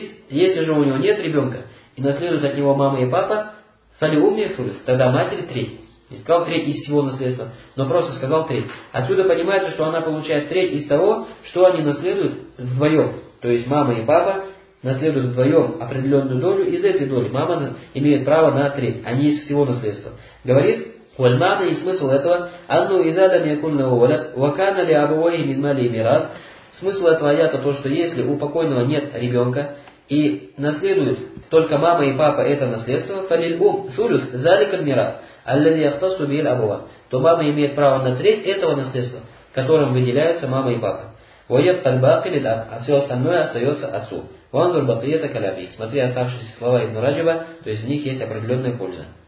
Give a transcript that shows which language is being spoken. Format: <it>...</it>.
<ru>Если же у него нет ребенка, и наследуют от него мама и папа, тогда матери треть. И сказал треть из всего наследства. Но просто сказал треть. Отсюда понимается, что она получает треть из того, что они наследуют вдвоем. То есть мама и папа наследуют вдвоем определенную долю. Из этой доли мама имеет право на треть, а не из всего наследства. Говорит,</ru> <ar>والمعنى</ar> <ru>смысл этого</ru> <ar>أنه إذا لم يكن له ولد وكان لأبويه من ماله ميراث.</ar> <ru>Смысл этого аята то, что если у покойного нет ребенка и наследуют только мама и папа это наследство,</ru> <ar>فَلِلْأُمْ ثُلُثْ ذَلِكَ الْمِيرَاثُ الَّذِي يَخْتَصُّ بِهِ الْأَبَوَانِ,</ar> <ru>то мама имеет право на треть этого наследства, которым выделяются мама и папа.</ru> <ar>وَيَبْقَى الْبَاقِي لِلْأَبِ,</ar> <ru>а все остальное остается отцу.</ru> <ar>وَانْظُرْ بَقِيَّةَ كَلَامِهِ,</ar> <ru>смотри оставшиеся слова Ибн Раджиба, то есть в них есть определенная польза.</ru>